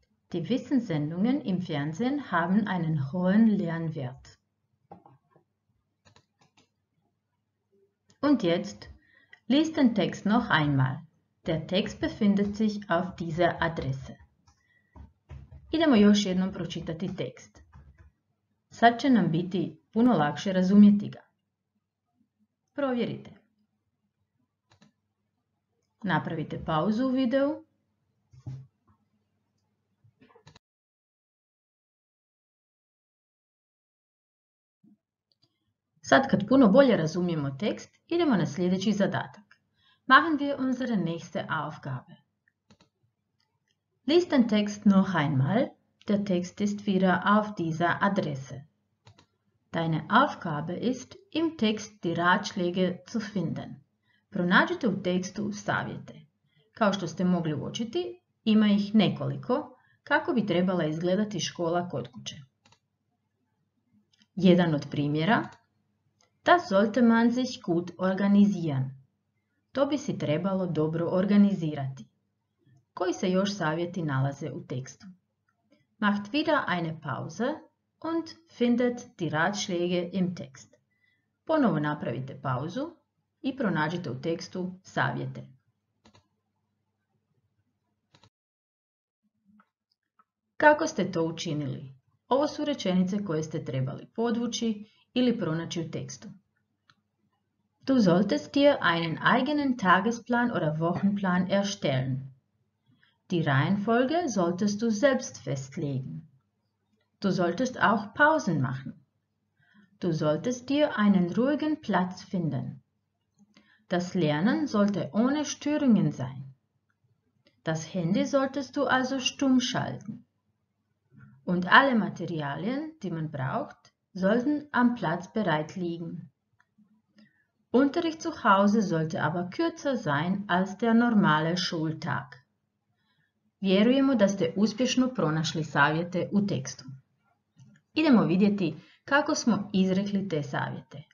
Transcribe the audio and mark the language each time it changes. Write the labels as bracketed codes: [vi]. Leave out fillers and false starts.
[de] Die Wissenssendungen im Fernsehen haben einen hohen Lernwert. Und jetzt liest den Text noch einmal. Der Text befindet sich auf dieser Adresse. [hr] Idemo još jednom pročitati tekst. Sad će nam biti puno lakše razumjeti ga. Provjerite. Napravite pauzu u videu. Sad kad puno bolje razumijemo tekst, idemo na sljedeći zadatak. [de] Machen wir unsere nächste Aufgabe. Lies den Text noch einmal. Der Text ist wieder auf dieser Adresse. Deine Aufgabe ist, im Text die Ratschläge zu finden. [hr] Pronađite u tekstu savjete. Kao što ste mogli uočiti, ima ih nekoliko, kako bi trebala izgledati škola kod kuće. Jedan od primjera. [de] Das sollte man sich gut organisieren. [hr] To bi si trebalo dobro organizirati. Koji se još savjeti nalaze u tekstu? [de] Macht wieder eine Pause. Und findet die Ratschläge im Text. [hr] Ponovo napravite pauzu i pronađite u tekstu savjete. Kako ste to učinili? Ovo su rečenice koje ste trebali podvući ili pronaći u tekstu. [de] Du solltest dir einen eigenen Tagesplan oder Wochenplan erstellen. Die Reihenfolge solltest du selbst festlegen. Du solltest auch Pausen machen. Du solltest dir einen ruhigen Platz finden. Das Lernen sollte ohne Störungen sein. Das Handy solltest du also stumm schalten. Und alle Materialien, die man braucht, sollten am Platz bereit liegen. Unterricht zu Hause sollte aber kürzer sein als der normale Schultag. [hr] Vjerujemo da ste uspješno pronašli savjete u tekstu. Idemo vidjeti kako smo izrekli te savjete.